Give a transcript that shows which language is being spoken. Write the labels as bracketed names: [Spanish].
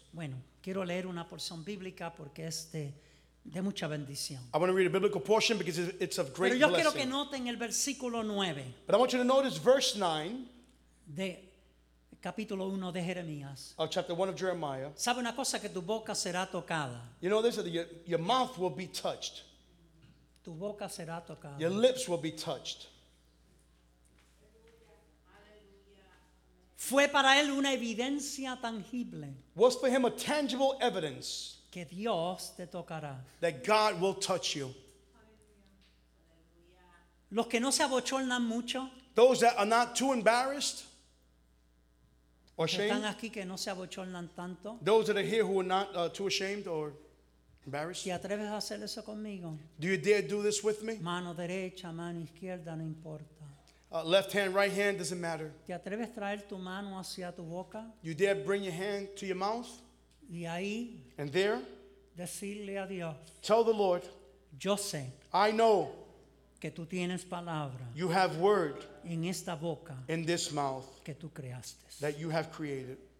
[Spanish] Bueno, quiero leer una porción bíblica porque de mucha bendición. [English] I want to read a biblical portion because it's of great blessing. [Spanish] Pero yo quiero que noten el versículo 9. [English] But I want you to notice verse 9. [Spanish] De capítulo 1 de Jeremías. [English] Of chapter 1 of Jeremiah. [Spanish] Sabe una cosa, que tu boca será tocada. [English] You know this, that your mouth will be touched. [Spanish] Tu boca será tocada. [English] Your lips will be touched. [Spanish] Fue para él una evidencia tangible. [English] Was for him a tangible evidence. [Spanish] Que Dios te tocará. [English] That God will touch you. [Spanish] Los que no se abochornan mucho. [English] Those that are not too embarrassed. Or ashamed. [Spanish] Están aquí que no se abochornan tanto. [English] Those that are here who are not too ashamed or embarrassed. [Spanish] ¿Te atreves a hacer eso conmigo? [English] Do you dare do this with me? [Spanish] Mano derecha, mano izquierda, no importa. [English] Left hand, right hand, doesn't matter. [Spanish] ¿Te atreves a traer tu mano hacia tu boca? [English] You dare bring your hand to your mouth? [Spanish] Y ahí, [English] and there? [Spanish] Decirle a Dios, [English] tell the Lord. [Spanish] Yo sé, [English] I know. [Spanish] Que tú tienes palabra, [English] you have word. [Spanish] En esta boca, [English] in this mouth. [Spanish] Que tú creaste, [English] that you have created.